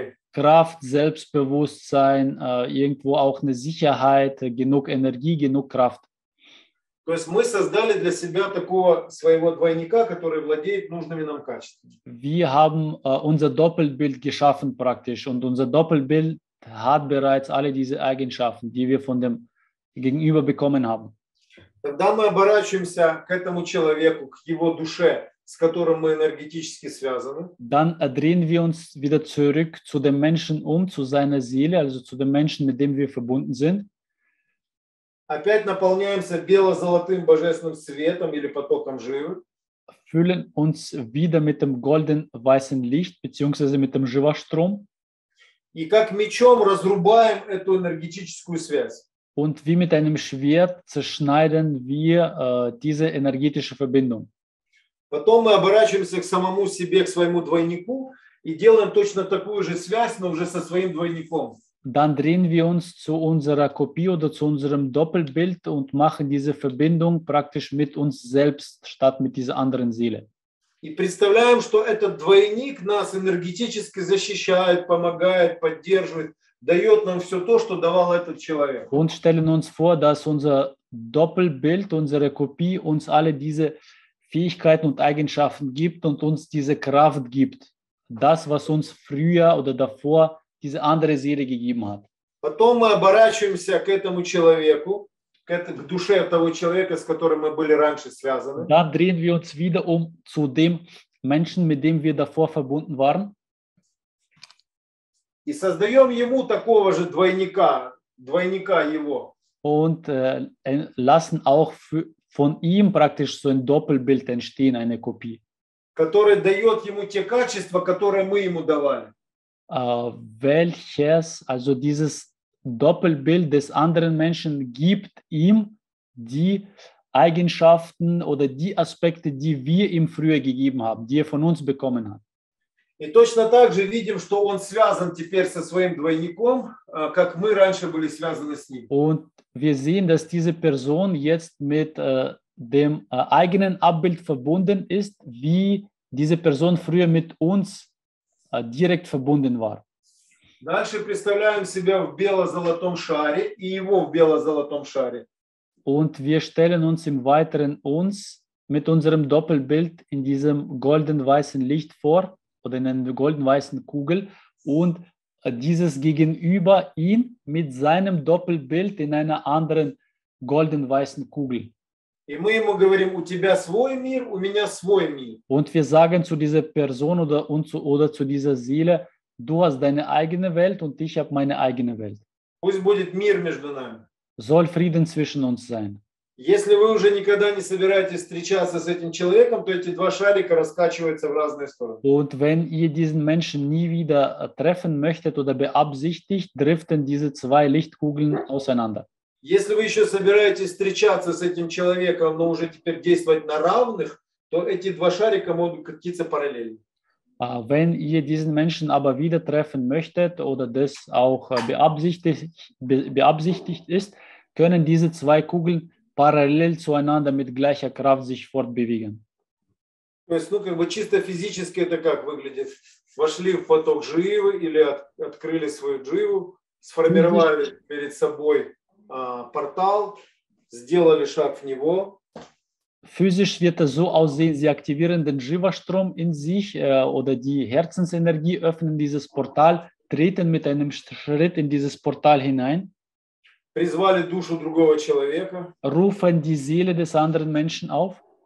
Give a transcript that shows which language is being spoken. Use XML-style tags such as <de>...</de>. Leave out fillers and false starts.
<de>Kraft, Selbstbewusstsein, irgendwo auch eine Sicherheit, genug Energie, genug Kraft.</de> <ru>То есть мы создали для себя такого своего двойника, который владеет нужными нам качествами.</ru> <de>Wir haben unser Doppelbild geschaffen praktisch und unser Doppelbild hat bereits alle diese Eigenschaften, die wir von dem Gegenüber bekommen haben.</de> <ru>Когда мы оборачиваемся к этому человеку, к его душе, с которым мы энергетически связаны,</ru> <de>dann drehen wir uns wieder zurück zu dem Menschen zu seiner Seele, also zu dem Menschen, mit dem wir verbunden sind.</de> <ru>Опять наполняемся бело-золотым божественным светом или потоком живы.</ru> <de>Füllen uns wieder mit dem golden-weißen Licht beziehungsweise mit dem Jiva-Strom.</de> <ru>И как мечом разрубаем эту энергетическую связь.</ru> <de>Und wie mit einem Schwert zerschneiden wir diese energetische Verbindung.</de> <ru>Потом мы оборачиваемся к самому себе, к своему двойнику и делаем точно такую же связь, но уже со своим двойником.</ru> <de>Dann drehen wir uns zu unserer Kopie oder zu unserem Doppelbild und machen diese Verbindung praktisch mit uns selbst statt mit dieser anderen Seele.</de> <ru>И представляем, что этот двойник нас энергетически защищает, помогает, поддерживает, дает нам все то, что давал этот человек.</ru> <de>Und stellen uns vor, dass unser Doppelbild, unsere Kopie uns alle diese Fähigkeiten und Eigenschaften gibt und uns diese Kraft gibt. Das, was uns früher oder davor diese andere Seele gegeben hat.</de> <ru>Потом мы оборачиваемся к этому человеку, к душе того человека, с которым мы были раньше связаны.</ru> <de>Dann drehen wir uns wieder zu dem Menschen, mit dem wir davor verbunden waren.</de> <ru>И создаем ему такого же двойника, двойника его.</ru> <de>Und lassen auch von ihm praktisch so ein Doppelbild entstehen, eine Kopie.</de> <ru>Который дает ему те качества, которые мы ему давали.</ru> <de>Welches, also dieses Doppelbild des anderen Menschen gibt ihm die Eigenschaften oder die Aspekte, die wir ihm früher gegeben haben, die er von uns bekommen hat.</de> <ru>И точно так же видим, что он связан теперь со своим двойником, как мы раньше были связаны с ним.</ru> <de>Und wir sehen, dass diese Person jetzt mit dem eigenen Abbild verbunden ist, wie diese Person früher mit uns direkt verbunden war.</de> <ru>Дальше представляем себя в бело-золотом шаре и его в бело-золотом шаре.</ru> <de>Und wir stellen uns im Weiteren uns mit unserem Doppelbild in diesem golden-weißen Licht vor oder in einer golden-weißen Kugel und dieses Gegenüber ihn mit seinem Doppelbild in einer anderen golden-weißen Kugel.</de> <ru>И мы ему говорим, у тебя свой мир, у меня свой мир.</ru> <de>Und wir sagen zu dieser Person oder zu dieser Seele, du hast deine eigene Welt und ich habe meine eigene Welt.</de> <ru>Пусть будет мир между нами.</ru> <de>Soll Frieden zwischen uns sein.</de> <ru>Если вы уже никогда не собираетесь встречаться с этим человеком, то эти два шарика раскачиваются в разные стороны.</ru> <de>Und wenn ihr diesen Menschen nie wieder treffen möchtet oder beabsichtigt, driften diese zwei Lichtkugeln auseinander.</de> <ru>Если вы еще собираетесь встречаться с этим человеком, но уже теперь действовать на равных, то эти два шарика могут катиться параллельно.</ru> <de>Wenn ihr diesen Menschen aber wieder treffen möchtet oder das auch beabsichtigt ist, können diese zwei Kugeln parallel zueinander mit gleicher Kraft sich fortbewegen.</de> <ru>То есть, ну, как бы чисто физически это как выглядит? Вошли в поток дживы или открыли свою дживу, сформировали перед собой портал, сделали шаг в него.</ru> <de>Physisch wird es so aussehen, sie aktivieren den Jiva-Strom in sich oder die Herzensenergie, öffnen dieses Portal, treten mit einem Schritt in dieses Portal hinein,</de> <ru>призвали душу другого человека,</ru> <de>rufen die Seele des anderen Menschen auf,</de>